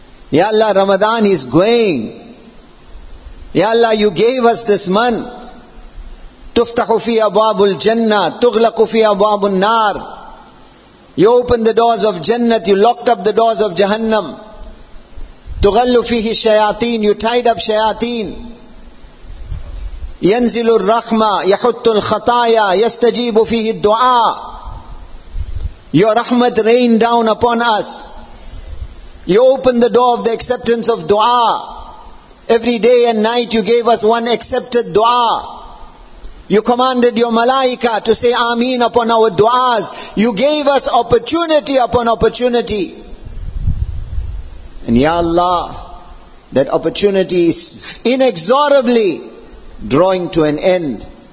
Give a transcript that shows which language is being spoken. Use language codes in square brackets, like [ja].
[en] Ya Allah, Ramadan is going. Ya Allah, you gave us this month. [ar] Tuftahu fi abwabul jannah, tughlaqu fi abwabun nar. [en] You opened the doors of Jannah, you locked up the doors of Jahannam. [ar] تغل فيه الشياطين, [en] you tied up [ar] شياطين. ينزل الرحمة, يحط الخطايا, يستجيب فيه الدعاء. [en] Your rahmat rained down upon us. You opened the door of the acceptance of dua. Every day and night you gave us one accepted dua. You commanded your malaika to say ameen upon our duas. You gave us opportunity upon opportunity. And Ya Allah, that opportunity is inexorably drawing to an end.